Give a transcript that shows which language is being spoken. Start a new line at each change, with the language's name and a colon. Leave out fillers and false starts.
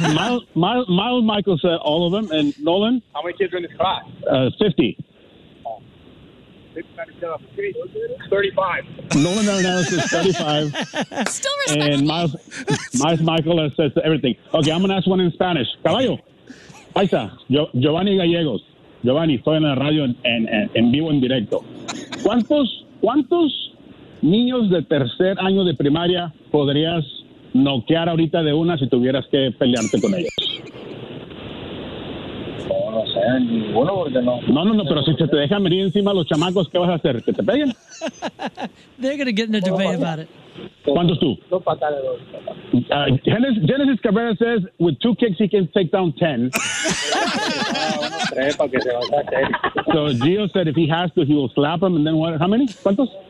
English: Miles Michael said all of them. And Nolan? How many kids are in this class? 50. 35. Nolan Arenado says 35. Still respectful. And Miles Michael says everything. Okay, I'm going to ask one in Spanish.
Spanish: Caballo. Paisa. Giovanni Gallegos. Giovanni, estoy en la radio en vivo, en directo. ¿Cuántos niños de tercer año de primaria podrías noquear ahorita de una si tuvieras que pelearte con ellos? No sé, ninguno, porque no. No, pero si se te dejan venir encima los chamacos, ¿qué vas a hacer? ¿Que te peguen?
English: They're going to get in a debate about it.
Spanish: ¿Cuántos tú? Dos patadas.
English: Genesis Cabrera says, with two kicks he can take down 10. So Gio said if he has to, he will slap him, and then what? How many? ¿Cuántos?